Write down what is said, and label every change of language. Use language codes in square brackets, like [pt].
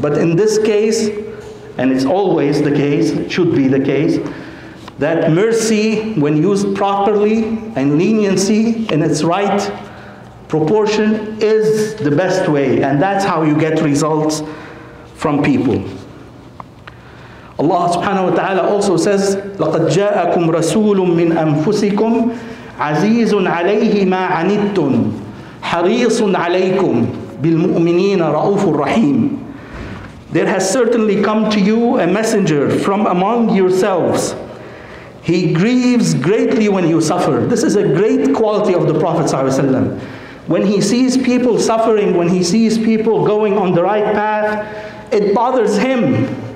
[en] But in this case, and it's always the case, should be the case, that mercy, when used properly, and leniency in its right proportion, is the best way. And that's how you get results from people. Allah subhanahu wa ta'ala also says, [ar] لَقَدْ جَاءَكُمْ رَسُولٌ مِّنْ أَنفُسِكُمْ عَزِيزٌ عَلَيْهِ مَا عَنِدْتُمْ حَرِيصٌ عَلَيْكُمْ بِالْمُؤْمِنِينَ رَؤُوفٌ رَحِيمٌ. [en] There has certainly come to you a messenger from among yourselves. He grieves greatly when you suffer. This is a great quality of the Prophet ﷺ. When he sees people suffering, when he sees people going on the right path, it bothers him.